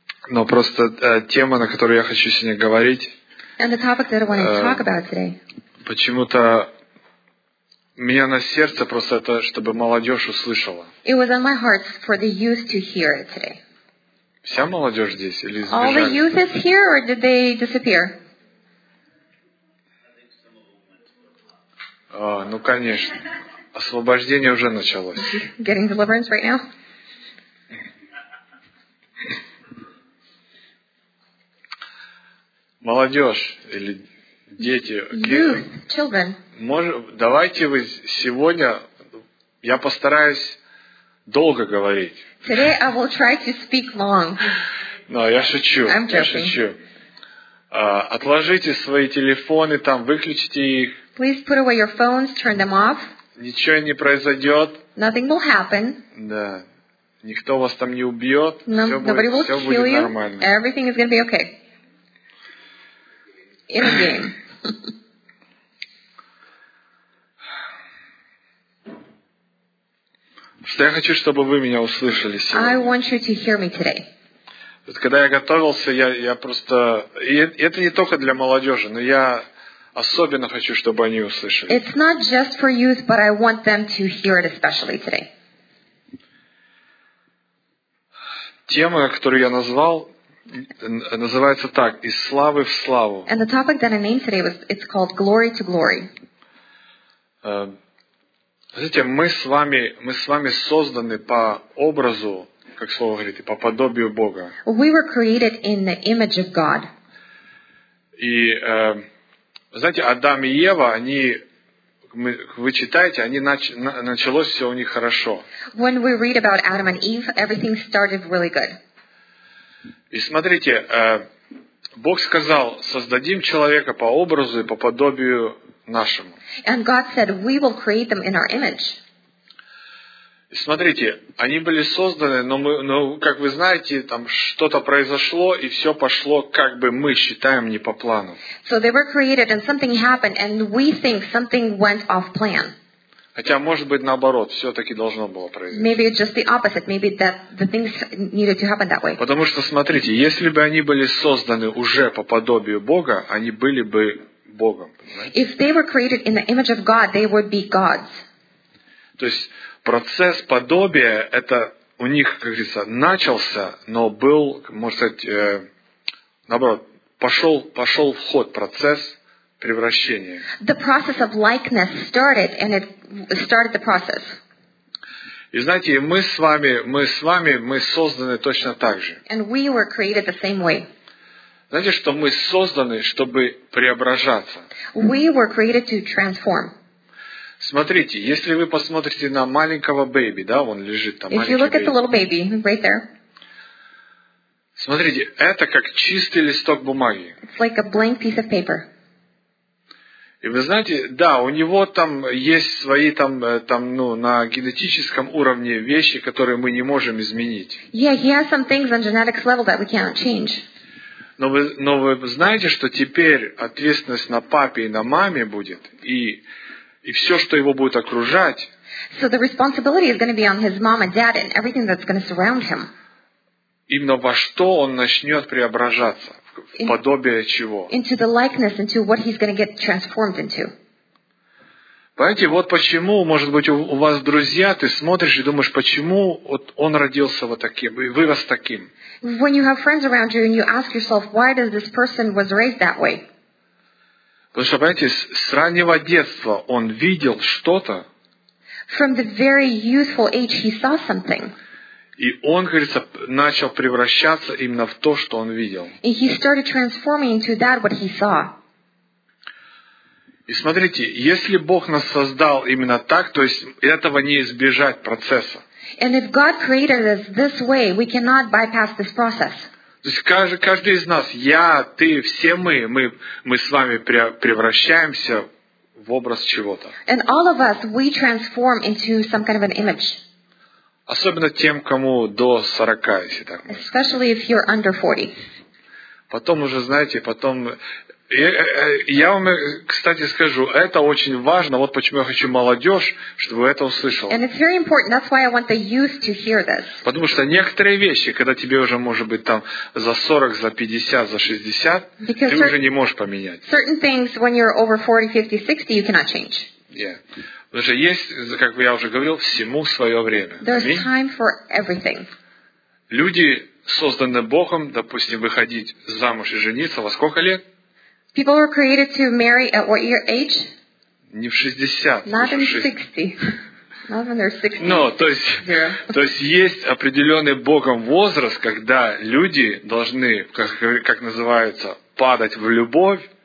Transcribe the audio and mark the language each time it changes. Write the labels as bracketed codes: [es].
[ru] Но просто тема, на которую я хочу сегодня говорить. [en] And the topic that I want to talk about today. [ru] Почему-то меня на сердце просто это, чтобы молодежь услышала. [en] It was on my heart for the youth to hear it today. [ru] Вся молодежь здесь или сбежали? [en] All the youth is here or did they disappear? [ru] А, ну конечно. Освобождение уже началось. [en] Getting deliverance right now? [ru] Молодежь или дети. [en] Youth, children. [ru] Давайте вы сегодня, я постараюсь долго говорить. [en] Today I will try to speak long. [ru] Но я шучу. [en] I'm joking. [ru] Я шучу. Отложите свои телефоны там, выключите их. [en] Please put away your phones, turn them off. [ru] Ничего не произойдет. [en] Nothing will happen. [ru] Да. Никто вас там не убьет. [en] No, nobody will kill you. [ru] Все будет нормально. [en] Everything is going to be okay. In a game. [ru] Что я хочу, чтобы вы меня услышали сегодня. [en] I want you to hear me today. [ru] Вот когда я готовился, я просто... И это не только для молодежи, но я особенно хочу, чтобы они услышали. [en] It's not just for youth, but I want them to hear it especially today. [ru] Тема, которую я назвал, называется так, «Из славы в славу». [en] And the topic that I named today was, it's called «Glory to Glory». [ru] Знаете, мы с вами созданы по образу, как слово говорит, по подобию Бога. [en] We were created in the image of God. [ru] И, знаете, Адам и Ева, они, вы читаете, они началось все у них хорошо. [en] When we read about Adam and Eve, everything started really good. [ru] И смотрите, Бог сказал, создадим человека по образу и по подобию нашему. [en] And God said, we will create them in our image. [ru] И смотрите, они были созданы, но как вы знаете, там что-то произошло, и все пошло, как бы мы считаем, не по плану. [en] So they were created and something happened, and we think something went off plan. [ru] Хотя, может быть, наоборот, все-таки должно было произойти. [en] Maybe it's just the opposite. Maybe that the things needed to happen that way. [ru] Потому что, смотрите, если бы они были созданы уже по подобию Бога, они были бы Богом, понимаете? [en] If they were created in the image of God, they would be gods. [ru] То есть процесс подобия это у них, как говорится, начался, но был, можно сказать, наоборот, пошел в ход процесс превращения. [en] The process of likeness started and it started the process. [ru] И знаете, мы созданы точно так же. [en] And we were created the same way. [ru] Знаете, что мы созданы, чтобы преображаться? [en] We were created to transform. [ru] Смотрите, если вы посмотрите на маленького бэби, да, он лежит там, [en] if you look at the little baby, right there. [ru] Смотрите, это как чистый листок бумаги. [en] It's like a blank piece of paper. [ru] И вы знаете, да, у него там есть свои там, ну, на генетическом уровне вещи, которые мы не можем изменить. [en] Yeah, he has some things on genetics level that we cannot change. [ru] Но вы знаете, что теперь ответственность на папе и на маме будет, и все, что его будет окружать. [en] So the responsibility is going to be on his mom and dad and everything that's going to surround him. [ru] Именно во что он начнет преображаться, в подобие чего? [en] Into the likeness, into what he's going to get transformed into. [ru] Понимаете, вот почему, может быть, у вас друзья, ты смотришь и думаешь, почему вот он родился вот таким, и вырос таким. [en] When you have friends around you and you ask yourself, why does this person was raised that way? [ru] Потому что, понимаете, с раннего детства он видел что-то. [en] From the very youthful age he saw something. [ru] И он, говорится, начал превращаться именно в то, что он видел. [en] And he started transforming into that what he saw. [ru] И смотрите, если Бог нас создал именно так, то есть этого не избежать процесса. [en] And if God created us this way, we cannot bypass this process. [ru] То есть каждый из нас, я, ты, все мы с вами превращаемся в образ чего-то. [en] And all of us, we transform into some kind of an image. [ru] Особенно тем, кому до 40, если так. [en] Especially if you're under 40. [ru] Потом уже, знаете, потом Я вам, кстати, скажу, это очень важно, вот почему я хочу молодежь, чтобы это услышала. [en] And it's very important, that's why I want the youth to hear this. [ru] Потому что некоторые вещи, когда тебе уже может быть там за 40, за 50, за 60, [en] Because [ru] ты уже не можешь поменять. [en] Certain things, when you're over 40, 50, 60, you cannot change. Yeah. [ru] Потому что есть, как я уже говорил, всему свое время. [en] There's time for everything. [ru] Люди созданы Богом, допустим, выходить замуж и жениться во сколько лет? [en] People were created to marry at what your age? [ru] Не в 60. [en] Not in 60. Not when they're 60. No, [ru] то есть есть определенный Богом возраст, когда люди должны, как называется, падать в любовь.